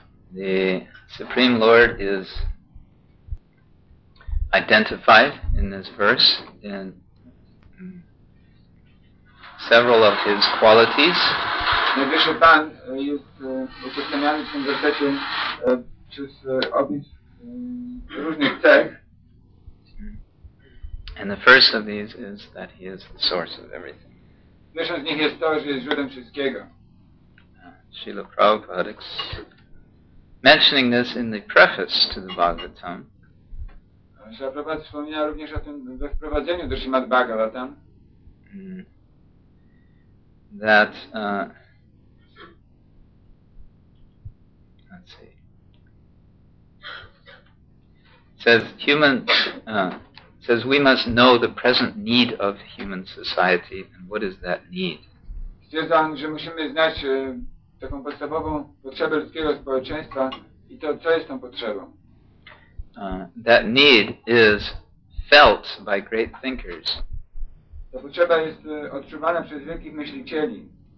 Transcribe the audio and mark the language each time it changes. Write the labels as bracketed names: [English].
[English] The Supreme Lord is identified in this verse in several of his qualities. [Polish] Najwyższy Pan jest utożsamiany w tym wersecie przez opis różnych cech. [English] And the first of these is that he is the source of everything. [Polish] Pierwszą z nich jest to, że jest źródłem wszystkiego. [English] Śrīla Prabhupāda, mentioning this in the preface to the Bhagavatam. [Polish] Śrīla Prabhupāda wspomina również o tym we wprowadzeniu do Śrīmad Bhāgavatam. [English] That let's see. It says human says we must know the present need of human society, and what is that need? [Polish] Stwierdzam, że musimy znać taką podstawową potrzebę ludzkiego społeczeństwa i to, co jest tą potrzebą. [English] That need is felt by great thinkers. [Polish] Ta potrzeba jest odczuwana przez wielkich myślicieli.